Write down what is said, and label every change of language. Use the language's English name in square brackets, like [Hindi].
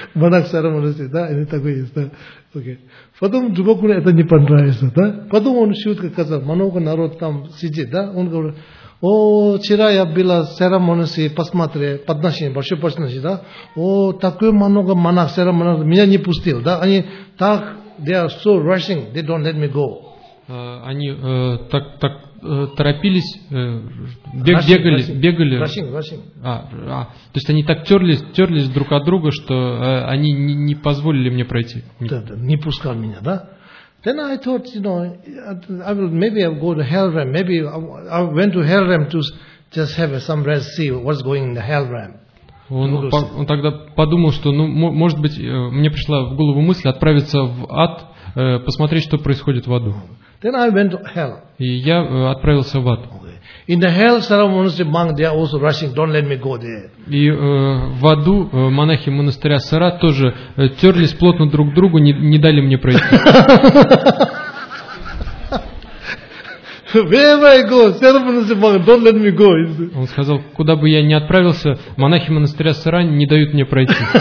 [Russian] Монах сера монастырь, да, они такой есть, да. [English] Okay. [Russian] Потом другому это не понравится, да. Потом он шутка сказал, много народ там сидит, да, он говорит, о, вчера я была в церемонии, посмотрела подношение, большое подношение, да? О, такое много монах, церемонии, меня не пустил, да? Они так, [English] they are so rushing, they don't let me go. [Russian] Они так торопились, бегали. [English] Rushing. [Russian] То есть они так терлись друг от друга, что они не позволили мне пройти. Да, не пускал меня, да? [English] Then I thought, you know, I will go to hell realm. Maybe I went to hell realm to just have some rest, see what's going in the hell realm. [Russian] Он тогда подумал, что, ну, может быть, мне пришла в голову мысль отправиться в ад, посмотреть, что происходит в аду. [English] Then I went to hell. [Russian] И я отправился в ад. [English] Okay. In the hell, some monastery monks they are also rushing. Don't let me go there. [Russian] И в аду монахи монастыря Сара тоже терлись плотно друг к другу, не дали мне пройти. [English] Where I go, Сара monastery monks don't let me go. [Russian] Он сказал, куда бы я ни отправился, монахи монастыря Сара не дают мне пройти.